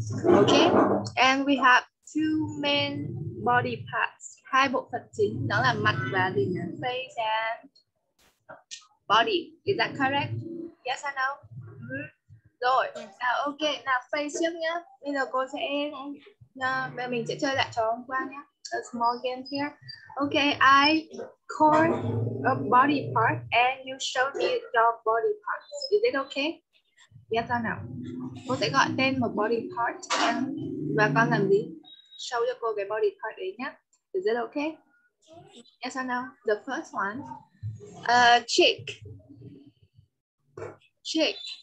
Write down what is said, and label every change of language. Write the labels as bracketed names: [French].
[English] Okay, and we have two main body parts. [Vietnamese] Hai bộ phận chính, đó là mặt và gì nhỉ? [English] Face and body. Is that correct? Yes or no? [Vietnamese] Rồi, okay, now face trước nhé. Bây giờ cô sẽ, mình sẽ chơi lại trò hôm qua nhé. [English] A small game here. Okay, I call a body part and you show me your body part. Is it okay? Yes or no? [Vietnamese] Cô sẽ gọi tên một body part and và con làm gì? Show cho cô cái body part đấy nhé. [English] Is it okay? Yes or no? The first one. Cheek. Cheek.